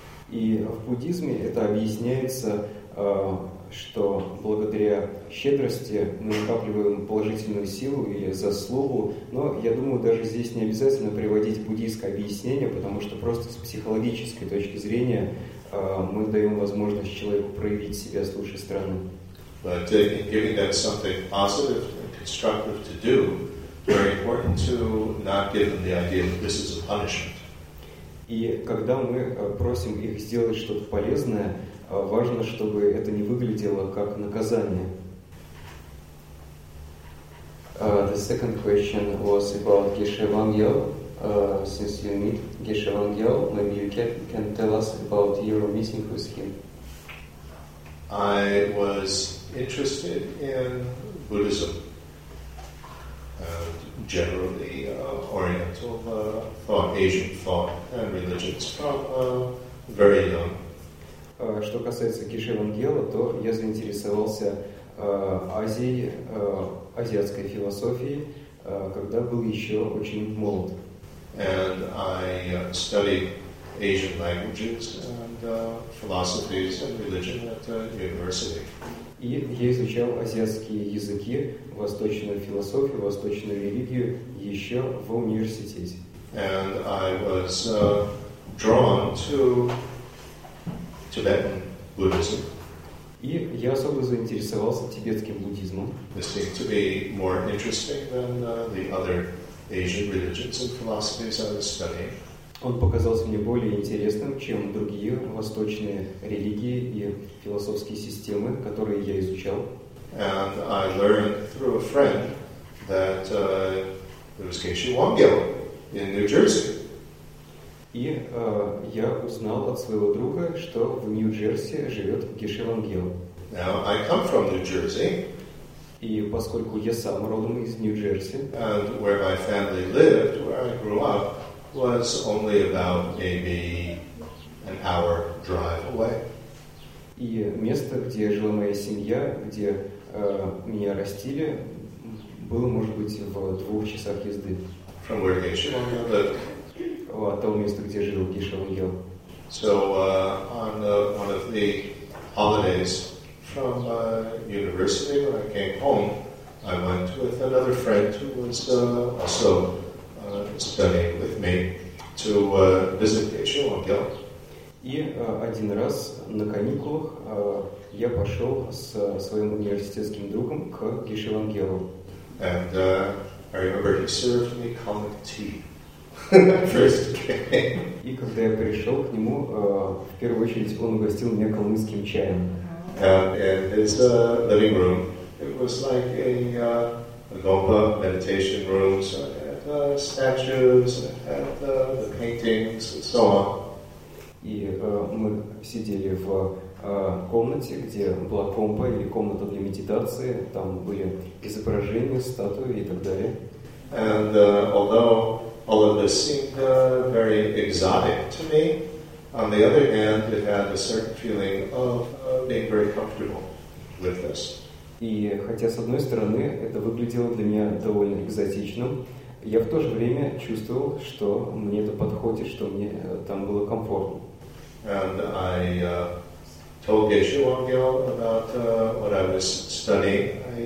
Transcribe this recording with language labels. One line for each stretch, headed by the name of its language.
Russian: И в буддизме это объясняется, что благодаря щедрости мы накапливаем положительную силу или заслугу. Но я думаю, даже здесь не обязательно приводить буддийское объяснение, потому что просто с психологической точки зрения мы даем возможность человеку проявить себя с лучшей стороны.
English: But giving that something positive and constructive to do. Very important to not give them the idea that this is a punishment.
Russian: И когда мы просим их сделать что-то полезное, важно, чтобы это не выглядело как наказание.
English: The second question was about Geshe Wangyo. Since you meet Geshe Wangyo, maybe you can tell us about your meeting with him. I was interested in Buddhism and generally Oriental thought, Asian thought and religions from a very young.
Russian: Что касается Кишевангела, то я заинтересовался Азией, азиатской философией, когда был еще очень молод.
English: And I studied Asian languages and philosophies and religion at university.
Russian: И я изучал азиатские языки, восточную философию, восточную религию еще в университете.
English: And I was drawn to Tibetan Buddhism.
Russian: И я особо заинтересовался тибетским буддизмом.
English: This seemed to be more interesting than the other Asian religions and philosophies I was studying.
Russian: Он показался мне более интересным, чем другие восточные религии и философские системы, которые я изучал.
English: And I learned through a friend that there was Geshe Wangyal in New Jersey.
Russian: И я узнал от своего друга, что в Нью-Джерси живет Геше Вангел.
English: Now, I come from New Jersey.
Russian: И поскольку я сам родом из Нью-Джерси,
English: and where my family lived, where I grew up, was only about maybe an hour drive away.
Russian: И место, где жила моя семья, где меня растили, было, может быть, в двух часах езды.
English: From where Geshe Wangyal lived.
Russian: От того места, где жил Геше Вангел.
English: So on one of the holidays from university when I came home, I went with another friend who was also studying with me to visit Геше Вангел.
Russian: И один раз на каникулах я пошел с своим университетским другом к Геше Вангелу.
English: And I remember he served me comic tea. First
Russian: И когда я пришел к нему, в первую очередь он угостил меня калмыцким чаем.
English: And his living room, it was like a Gompa meditation room, so it had statues, it had the paintings, and so on.
Russian: И мы сидели в комнате, где была компа или комната для медитации, там были изображения, статуи и так далее.
English: And although all of this seemed very exotic to me. On the other hand, it had a certain feeling of being very comfortable with this.
Russian: И хотя с одной стороны это выглядело для меня довольно экзотичным, я в то же время чувствовал, что мне это подходит, что мне там было комфортно.
English: And I told Geshe Wangyal about what I was studying.